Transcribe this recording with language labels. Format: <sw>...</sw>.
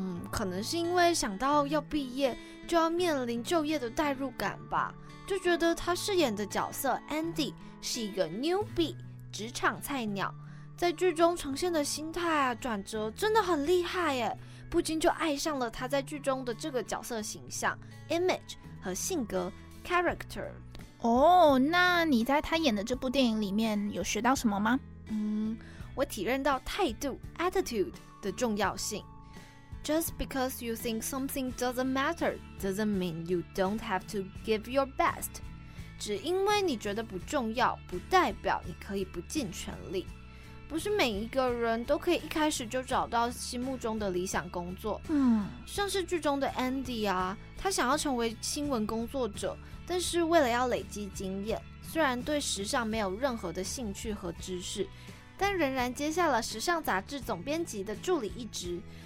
<zh>可能是因为想到要毕业就要面临就业的代入感吧，就觉得他饰演的角色 Andy 是一个 newbie 职场菜鸟，在剧中呈现的心态啊转折真的很厉害耶，不禁就爱上了他在剧中的这个角色形象 image 和性格 character。哦，那你在他演的这部电影里面有学到什么吗？我体认到态度 attitude 的重要性。</zh> <en>Just because you think something doesn't matter doesn't mean you don't have to give your best.</en> <zh>只因为你觉得不重要，不代表你可以不尽全力。不是每一个人都可以一开始就找到心目中的理想工作。像是剧中的 Andy 啊，他想要成为新闻工作者，但是为了要累积经验，虽然对时尚没有任何的兴趣和知识，但仍然接下了时尚杂志总编辑的助理一职。</zh>